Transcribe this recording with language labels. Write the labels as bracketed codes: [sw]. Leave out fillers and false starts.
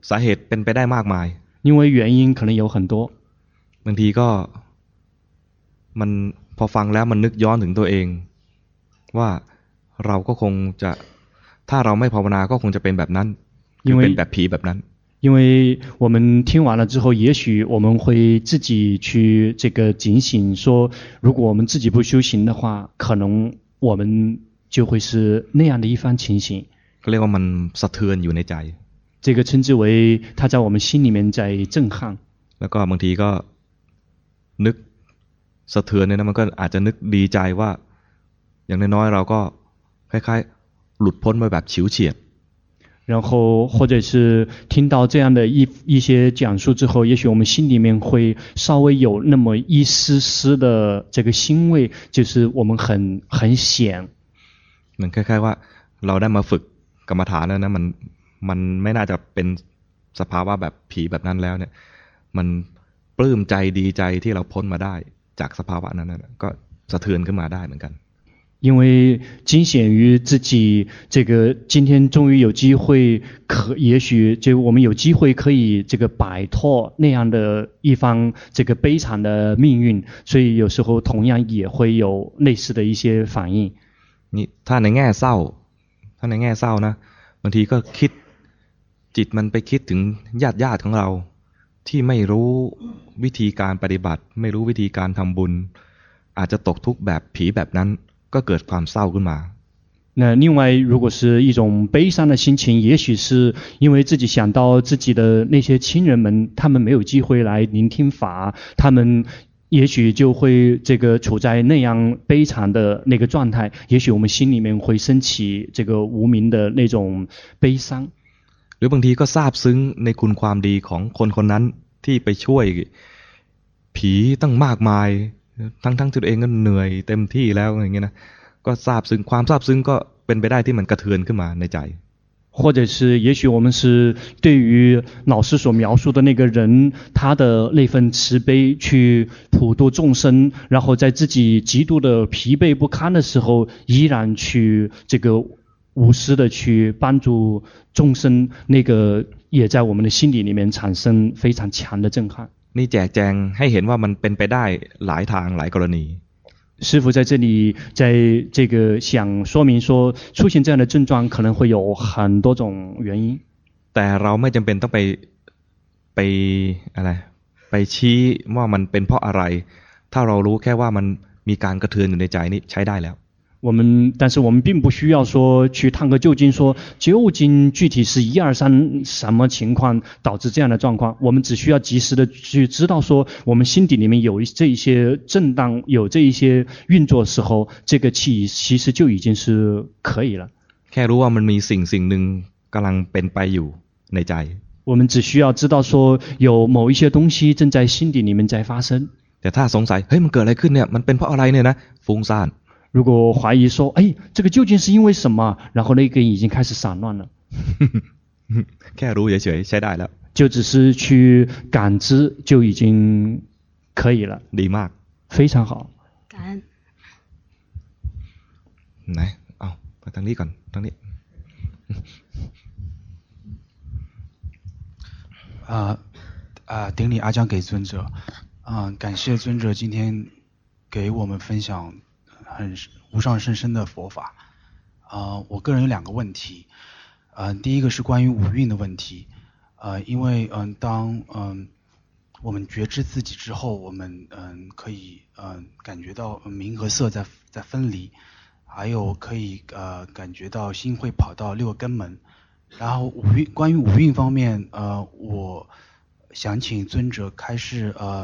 [th] สาเหตุเป็นไปได้มากมาย [zh] 因为原因可能有很多 [th] บางทีก็มันพอฟังแล้วมันนึกย้อนถึงตัวเองว่าเราก็คงจะถ้าเราไม่ภาวนาก็คงจะเป็นแบบนั้นคือเป็นแบบผีแบบนั้น [zh] 因为我们听完了之后，也许我们会自己去这个警醒，说如果我们自己不修行的话，可能我们就会是那样的一番情形。 [th] เรียกว่ามันสะเทือนอยู่ในใจ。 [zh] 这个称之为它在我们心里面在震撼。 [th] แล้วก็บางทีก็นึกสะเทือนเนี่ยนะมันก็อาจจะนึกดีใจว่าอย่างน้อยๆเราก็คล้ายๆหลุดพ้นไปแบบฉิวเฉียด。 [zh] 然后或者是听到这样的一些讲述之后，也许我们心里面会稍微有那么一丝丝的这个欣慰，就是我们很险。 [th] มันคล้ายๆว่าเราได้มาฝึกกรรมฐานแล้วนะมันไม่น่าจะเป็นสภาวะแบบผีแบบนั้นแล้วเนี่ยมันปลื้มใจดีใจที่เราพ้นมาได้จากสภาวะนั้นก็สะเทือนขึ้นมาได้เหมือนกัน [zh] 因为惊险于自己这个今天终于有机会可也许就我们有机会可以这个摆脱那样的一方这个悲惨的命运，所以有时候同样也会有类似的一些反应。你他 [th] ในแง่เศร้าถ้าในแง่เศร้านะบางทีก็คิดจิตมันไปคิดถึงญาติของเราที่ไม่รู้วิธีการปฏิบัติไม่รู้วิธีการทำบุญอาจจะตกทุกข์แบบผีแบบนั้นก็เกิดความเศร้าขึ้นมา [zh] 那另外如果是一种悲伤的心情，也许是因为自己想到自己的那些亲人们，他们没有机会来聆听法，他们也许就会这个处在那样悲惨的那个状态，也许我们心里面会升起这个无名的那种悲伤。 [th] หรือบางทีก็ซาบซึ้งในคุณความดีของคนคนนั้นที่ไปช่วยผีตั้งมากมายทั้งตัวเองก็เหนื่อยเต็มที่แล้วอย่างเงี้ยนะก็ซาบซึ้งความซาบซึ้งก็เป็นไปได้ที่มันกระเทือนขึ้นมาในใจ [zh] 或者是也许我们是对于老师所描述的那个人他的那份慈悲去普度众生然后在自己极度的疲惫不堪的时候依然去这个无私的去帮助众生那个也在我们的心理里面产生非常强的震撼 [th] นี่แจกแจงให้เห็นว่ามันเป็นไปได้หลายทางหลายกรณี [zh] 师父在这里在这个想说明说出现这样的症状可能会有很多种原因 [th] แต่เราไม่จำเป็นต้องไปอะไรไปชี้ว่ามันเป็นเพราะอะไรถ้าเรารู้แค่ว่ามันมีการกระเทือนอยู่ในใจนี่ใช้ได้แล้ว [zh] 但是我们并不需要说去探个究竟说究竟具体是一二三什么情况导致这样的状况我们只需要及时的去知道说我们心底里面有这一些震荡有这一些运作时候这个气其实就已经是可以了 [th] แค่รู้ว่ามันมีสิ่งนึงกำลังเป็นไปอยู่ในใจ [zh] 我们只需要知道说有某一些东西正在心底里面在发生 [th] แต่ถ้าสงสัยเฮ้ยมันเกิดอะไรขึ้นเนี่ยมันเป็นเพราะอะไรเนี่ยนะฟุ้งซ่าน [zh] 如果怀疑说哎这个究竟是因为什么然后那个已经开始散乱了 [th] แค่รู้เฉยๆใช้ได้แล้ว [zh] 就只是去感知就已经可以了。礼貌，非常好。感恩。来，哦， [th] ไปทางนี้ก่อน，ทางนี้。 [zh] 顶礼阿江给尊者，感谢尊者今天给我们分享很无上甚深的佛法。我个人有两个问题，第一个是关于五蕴的问题，因为当我们觉知自己之后，我们可以感觉到名和色在分离，还有可以感觉到心会跑到六根门，然后关于五蕴方面，我想请尊者开示